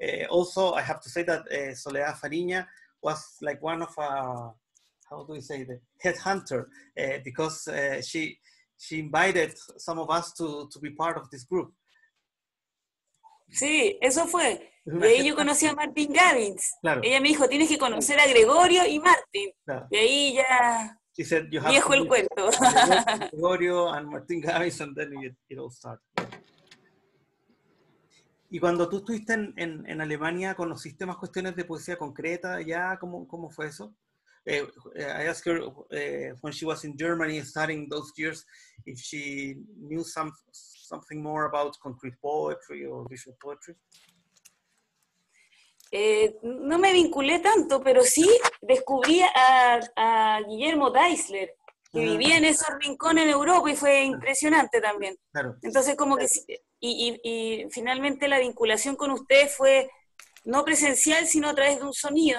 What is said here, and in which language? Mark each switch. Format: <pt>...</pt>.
<en>Also, I have to say that Soledad Fariña was like one of the headhunter, because she invited some of us to be part of this group.</en> <es>Sí, eso fue. De ahí yo conocí a Martin Gavins. Claro. Ella me dijo, tienes que conocer a Gregorio y Martin. Claro. De ahí ya...</es> <en>She said, you have</en> <es>viejo el cuento.</es> <en>Gregorio and Martin Gavins, and then it all started.</en> <es>Y cuando tú estuviste en Alemania, ¿conociste más cuestiones de poesía concreta ya? ¿Cómo fue eso?</es> <en>I asked her when she was in Germany studying those years if she knew something more about concrete poetry or visual poetry.</en> <es>No me vinculé tanto, pero sí descubrí a Guillermo Deisler, que vivía en esos rincones en Europa y fue impresionante también. Claro. Entonces como que sí. Y finalmente la vinculación con ustedes fue no presencial, sino a través de un sonido.</es>